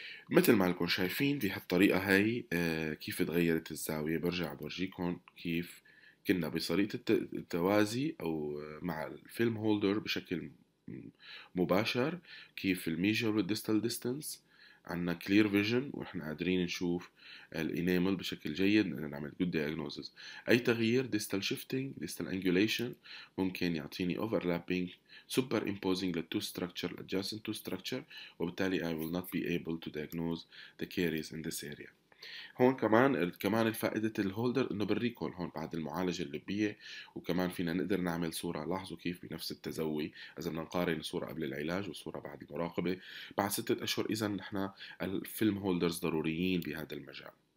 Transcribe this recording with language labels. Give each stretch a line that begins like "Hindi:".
Arabic: مثل ما لكم شايفين بهالطريقة هاي كيف تغيرت الزاوية، برجع بورجيكم كيف كنا بطريقة التوازي أو مع الفيلم هولدر بشكل مباشر، كيف الميجر والديستال ديستانس عندنا
English: clear vision
Arabic: وإحنا قادرين نشوف الإنامل بشكل جيد نعمل
English: good diagnosis.
Arabic: أي تغيير
English: distal shifting, distal angulation
Arabic: ممكن يعطيني
English: overlapping, superimposing the two structure, adjacent two structure,
Arabic: وبالتالي
English: I will not be able to diagnose the caries in this area.
Arabic: هون كمان الفائدة الهولدر إنه بالريكول هون بعد المعالجة اللبية وكمان فينا نقدر نعمل صورة لاحظوا كيف بنفس التزوي إذا بدنا نقارن صورة قبل العلاج وصورة بعد المراقبة بعد 6 أشهر إذا نحن الفيلم هولدرز ضروريين بهذا المجال.